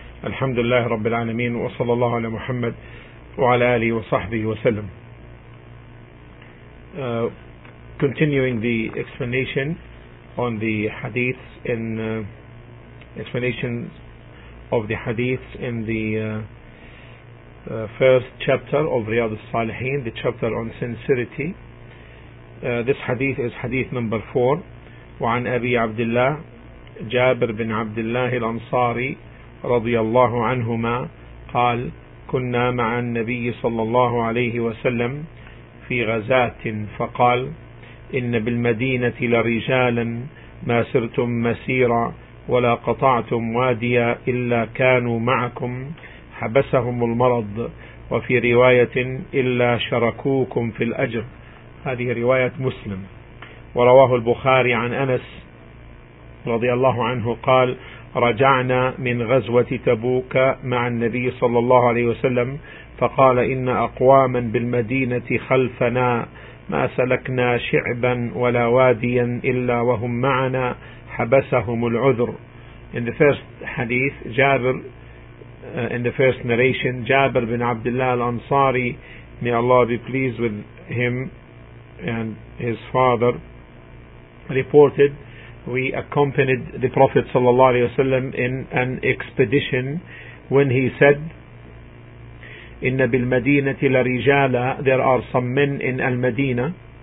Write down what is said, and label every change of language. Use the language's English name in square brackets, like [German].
[Arabic] الحمد لله رب العالمين، وصلى الله على محمد وعلى آله وصحبه وسلم. [English] Continuing the explanation on the hadiths in explanations of the hadiths in the first chapter of Riyad al-Salihin, the chapter on sincerity. This hadith is hadith number 4. [Arabic] وعن أبي عبد الله جابر بن عبد الله الأنصاري رضي الله عنهما قال كنا مع النبي صلى الله عليه وسلم في غزاة فقال إن بالمدينة لرجالا ما سرتم مسيرا ولا قطعتم واديا إلا كانوا معكم حبسهم المرض، وفي رواية إلا شركوكم في الأجر. هذه رواية مسلم. ورواه البخاري عن أنس رضي الله عنه قال رجعنا من غزوة تبوك مع النبي صلى الله عليه وسلم فقال إن أقواما بالمدينة خلفنا ما سلكنا شعبا ولا واديا إلا وهم معنا حبسهم العذر. [English] In the first hadith, Jabir, in the first narration, Jabir bin Abdullah al-Ansari, may Allah be pleased with him and his father, reported, we accompanied the Prophet sallallahu alaihi wasallam in an expedition when he said, "Inna bil Madinati la rijala, there are some men in al Madina.